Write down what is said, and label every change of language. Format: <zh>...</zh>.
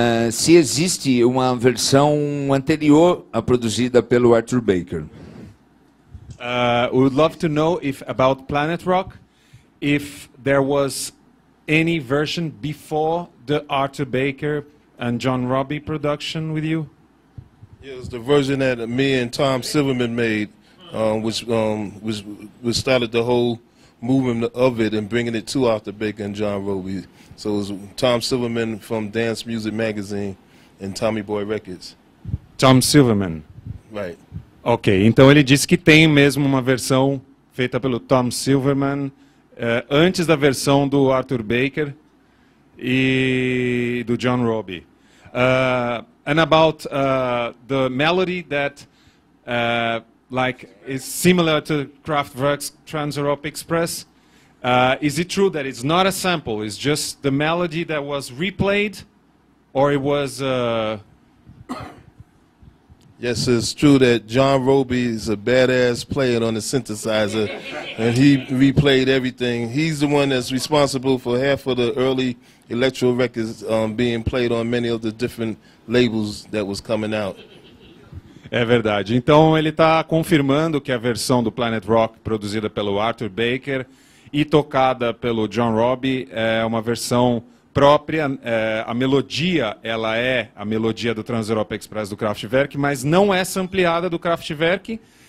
<pt>Se existe uma versão anterior a produzida pelo Arthur Baker.</pt> <en>We would love to know if about Planet Rock, if there was any version before the Arthur Baker and John Robbie production with you. Yeah, it was the version that me and Tom Silverman made, which started the whole movement of it and bringing it to Arthur Baker and John Robbie. So it was Tom Silverman from Dance Music Magazine and Tommy Boy Records. Tom Silverman. Right.</en> <pt>Ok, então ele disse que tem mesmo uma versão feita pelo Tom Silverman antes da versão do Arthur Baker e do John Robbie.</pt> <en>And about the melody that, like, is similar to Kraftwerk's Trans-Europe Express, is it true that it's not a sample? It's just the melody that was replayed, or it was? Yes, it's true that John Robbie is a badass player on the synthesizer, and he replayed everything. He's the one that's responsible for half of the early Electro records being played on many of the different labels that was coming out.</en> <pt>É verdade. Então ele está confirmando que a versão do Planet Rock produzida pelo Arthur Baker e tocada pelo John Robbie é uma versão própria. A melodia, ela é a melodia do Trans-Europe Express do Kraftwerk, mas não é sampleada do Kraftwerk.</pt>